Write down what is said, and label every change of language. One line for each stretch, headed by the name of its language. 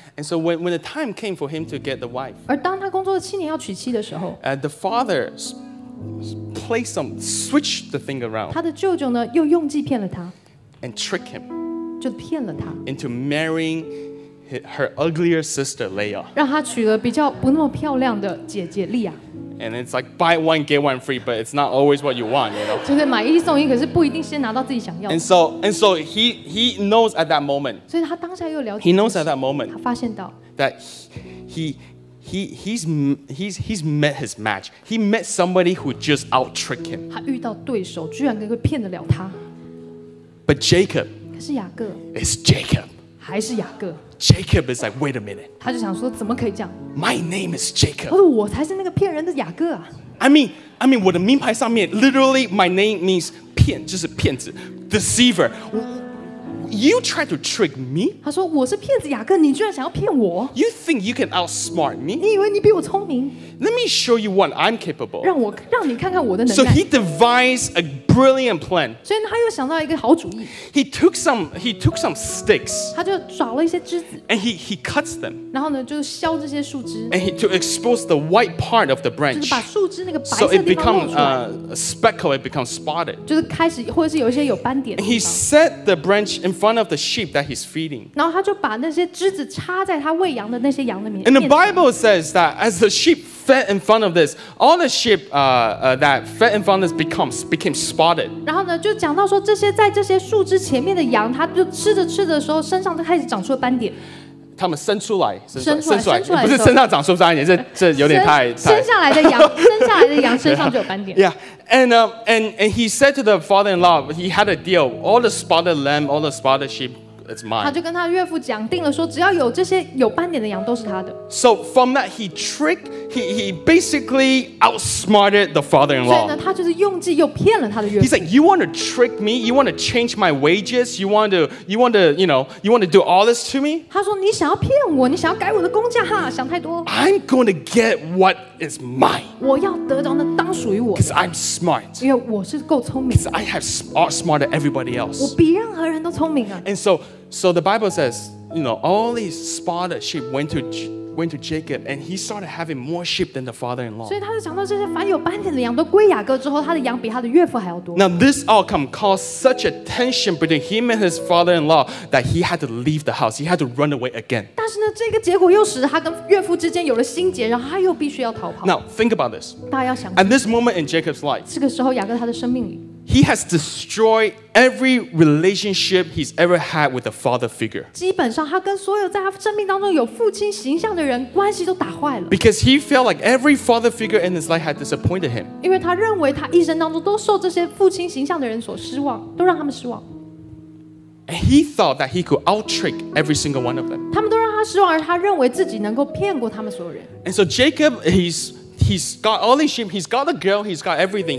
English: And so when the time came for him to get the wife,
Chinese: 而当他工作七年要娶妻的时候
English: the father placed some, switched the thing around.
Chinese: 他的舅舅呢，又用计骗了他。
English: And trick him,
Chinese: 就骗了他
English: into marrying her uglier sister Leah.
Chinese: 让他娶了比较不那么漂亮的姐姐莉亚
English: And it's like buy one get one free, but it's not always what you want, you know.
Chinese: 就是买一送一，可是不一定先拿到自己想要的
English: And so he knows at that moment.
Chinese: 所以他当下又了解
English: He knows at that moment.
Chinese: 他发现到
English: that he's met his match. He met somebody who just out tricked him.
Chinese: 他遇到对手，居然能够骗得了他。
English: But Jacob,
Chinese: 可是雅各
English: is Jacob,
Chinese: 还是雅各
English: Jacob is like, wait a minute.
Chinese: 他就想说，怎么可以这样
English: ？My name is Jacob.
Chinese: 他说，我才是那个骗人的雅各啊。
English: I mean,
Chinese: 我的名牌上面
English: literally my name means
Chinese: 骗，就是骗子
English: ，deceiver. You try to trick me?
Chinese: 他说，我是骗子雅各，你居然想要骗我
English: ？You think you can outsmart me?
Chinese: 你以为你比我聪明
English: ？Let me show you what I'm capable.
Chinese: 让你看看我的能力。
English: So he devised a brilliant plan.
Chinese: 所以他又想到一个好主意。
English: He took some sticks.
Chinese: 他就找了一些枝子。
English: And he cuts them.
Chinese: 然后呢，就削这些树枝。
English: And to expose the white part of the branch.
Chinese: 就是把树枝那个白色的地方露出来。
English: So it becomes speckled. It becomes spotted.
Chinese: 就是开始或者是有一些有斑点的。
English: And he set the branch in front of the sheep that he's feeding.
Chinese: 然后他就把那些枝子插在他喂羊的那些羊的面前。
English: And the Bible says that as the sheep fed in front of this, all the sheep that fed in front of this became spotted.
Chinese: 然后呢，就讲到说这些在这些树枝前面的羊，它就吃着吃着的时候，身上就开始长出了斑点。他们生出来，生出来，不是身上长出斑点，这有点太生下来的羊，生下来的羊身上就有斑点。
English: Yeah. And he said to the father-in-law, he had a deal. All the spotted lamb, all the spotted sheep, it's mine.
Chinese: 他就跟他岳父讲定了说，只要有这些有斑点的羊都是他的。
English: So from that, he tricked, he basically outsmarted the father-in-law.
Chinese: 所以呢，他就是用计又骗了他的岳父。
English: He's like, you want to trick me? You want to change my wages? You want to, you know, you want to do all this to me?
Chinese: 他说，你想要骗我？你想要改我的工价？哈，想太多。
English: I'm going to get what is mine.
Chinese: 我要得到那当属于我。
English: Because I'm smart.
Chinese: 因为我是够聪明。
English: Because I have outsmarted everybody else.
Chinese: 我比任何人都聪明啊。
English: And so the Bible says, you know, all these spotted sheep went to Jacob, and he started having more sheep than the father-in-law.
Chinese: 所以他就想到这些凡有斑点的羊都归雅各之后，他的羊比他的岳父还要多。
English: Now this outcome caused such a tension between him and his father-in-law that he had to leave the house. He had to run away again.
Chinese: 但是呢，这个结果又使他跟岳父之间有了心结，然后他又必须要逃跑。
English: Now think about this.
Chinese: 大家要想。
English: At this moment in Jacob's life,
Chinese: 这个时候雅各他的生命里。
English: He has destroyed every relationship he's ever had with a father figure.
Chinese: 基本上，他跟所有在他生命当中有父亲形象的人关系都打坏了。
English: Because he felt like every father figure in his life had disappointed him.
Chinese: 因为他认为他一生当中都受这些父亲形象的人所失望，都让他们失望。
English: And he thought that he could out-trick every single one of them.
Chinese: 他们都让他失望，而他认为自己能够骗过他们所有人。
English: And so Jacob, He's got all his sheep, he's got the girl, he's got everything.